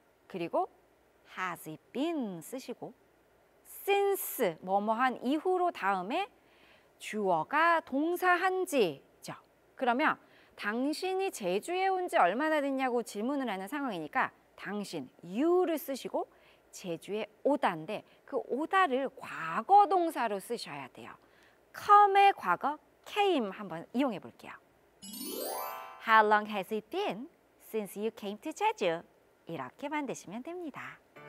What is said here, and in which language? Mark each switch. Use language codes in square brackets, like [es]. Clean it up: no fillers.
[ko] 그리고 has it been 쓰시고 since 뭐뭐한 이후로 다음에 주어가 동사한지죠. 그러면 당신이 제주에 온 지 얼마나 됐냐고 질문을 하는 상황이니까 당신 you를 쓰시고 제주에 오다인데 그 오다를 과거 동사로 쓰셔야 돼요. come의 과거 came 한번 이용해 볼게요. [en] How long has it been since you came to 제주? [ko] 이렇게 만드시면 됩니다.